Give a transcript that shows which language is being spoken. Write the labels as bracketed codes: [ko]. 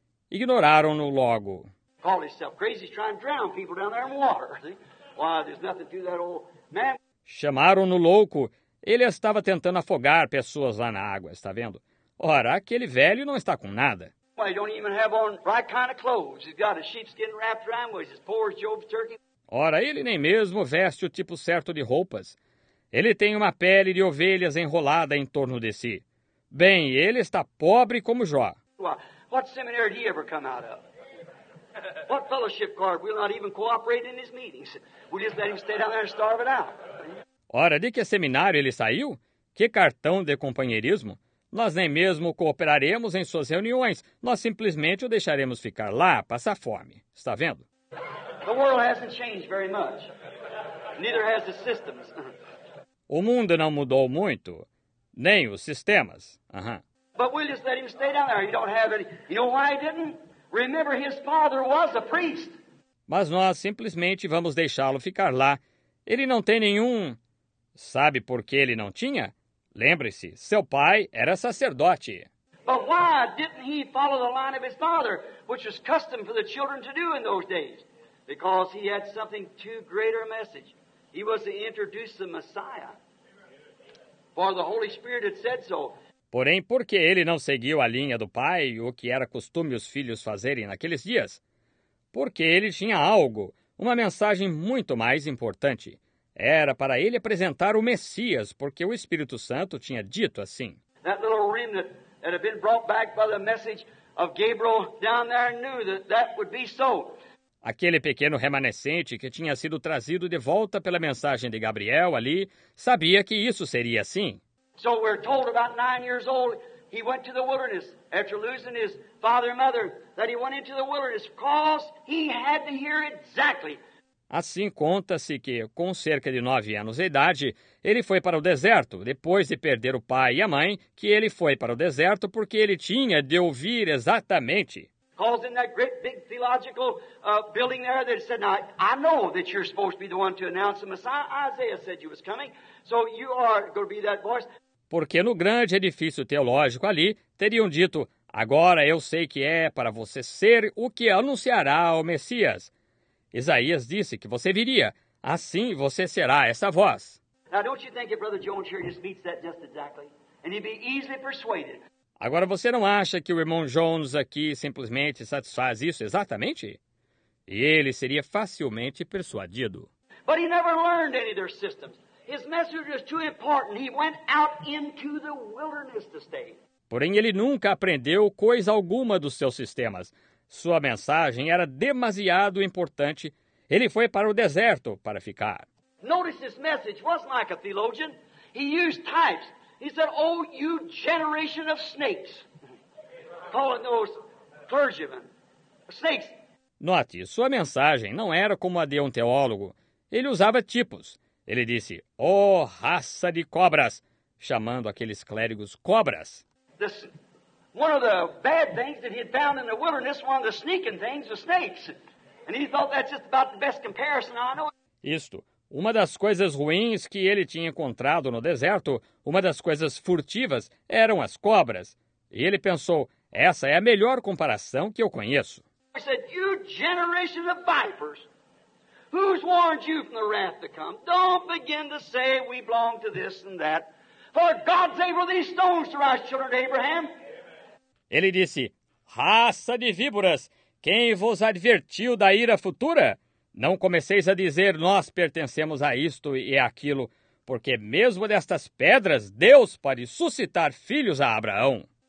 [pt] Ignoraram-no logo. [en] Call himself crazy, he's trying to drown people down there in water, see? Why, there's nothing to that old man. [pt] Chamaram-no louco. Ele estava tentando afogar pessoas lá na água, está vendo? Ora, aquele velho não está com nada. [en] Well, he don't even have on right kind of clothes. He's got a sheepskin wrapped around him, he's as poor as Job's turkey. [pt] Ora, ele nem mesmo veste o tipo certo de roupas. Ele tem uma pele de ovelhas enrolada em torno de si. Bem, ele está pobre como Jó. [en] What seminary did he ever come out of? What fellowship card? We'll not even cooperate in his meetings. We'll just let him stay down there and starve it out. [pt] Ora, de que seminário ele saiu? Que cartão de companheirismo? Nós nem mesmo cooperaremos em suas reuniões. Nós simplesmente o deixaremos ficar lá, passar fome. Está vendo? [en] The world hasn't changed very much. Neither has the systems. [pt] O mundo não mudou muito, nem os sistemas. Uhum. [en] But we'll just let him stay down there. He don't have any. You know why he didn't? Remember, his father was a priest. [pt] Mas nós simplesmente vamos deixá-lo ficar lá. Ele não tem nenhum. Sabe por que ele não tinha? Lembre-se, seu pai era sacerdote. [en] But why didn't he follow the line of his father, which was custom for the children to do in those days? Because he had something too greater a message. He was to introduce the Messiah. For the Holy Spirit had said so. [pt] Porém, por que ele não seguiu a linha do pai, o que era costume os filhos fazerem naqueles dias? Porque ele tinha algo, uma mensagem muito mais importante. Era para ele apresentar o Messias, porque o Espírito Santo tinha dito assim. [en] That little remnant that had been brought back by the message of Gabriel down there knew that that would be so. [pt] Aquele pequeno remanescente que tinha sido trazido de volta pela mensagem de Gabriel ali, sabia que isso seria assim. [en] So we're told about 9 years old, he went to the wilderness after losing his father and mother, that he went into the wilderness because he had to hear exactly. [pt] Assim conta-se que, com cerca de 9 anos de idade, ele foi para o deserto, depois de perder o pai e a mãe, que ele foi para o deserto porque ele tinha de ouvir exatamente. [en] Causing that great big theological building there that said, now, I know that you're supposed to be the one to announce the Messiah. Isaiah said you was coming, so you are going to be that voice. [pt] Porque no grande edifício teológico ali, teriam dito, agora eu sei que é para você ser o que anunciará o Messias. Isaías disse que você viria, assim você será essa voz. [en] Now, don't you think if Brother Jones here just meets that just exactly, and he'd be easily persuaded. [pt] Agora, você não acha que o irmão Jones aqui simplesmente satisfaz isso exatamente? E ele seria facilmente persuadido. [en] But he never learned any of their systems. His message was too important. He went out into the wilderness to stay. [pt] Porém, ele nunca aprendeu coisa alguma dos seus sistemas. Sua mensagem era demasiado importante. Ele foi para o deserto para ficar. [en] Notice his message wasn't like a theologian. He used types. He said, oh, you generation of snakes, calling those clergymen snakes. [pt] Note, sua mensagem não era como a de um teólogo. Ele usava tipos. Ele disse, oh, raça de cobras, chamando aqueles clérigos cobras. [en] This, one of the bad things that he had found in the wilderness, one of the sneaking things, was snakes. And he thought that's just about the best comparison I know. [pt] Isto. Uma das coisas ruins que ele tinha encontrado no deserto, uma das coisas furtivas, eram as cobras. E ele pensou, essa é a melhor comparação que eu conheço. [en] He said, you generation of vipers, who's warned you from the wrath to come? Don't begin to say we belong to this and that. For God's able these stones to rise, children of Abraham. [pt] Ele disse, raça de víboras, quem vos advertiu da ira futura? Não comeceis a dizer, nós pertencemos a isto e àquilo, porque mesmo destas pedras, Deus pode suscitar filhos a Abraão.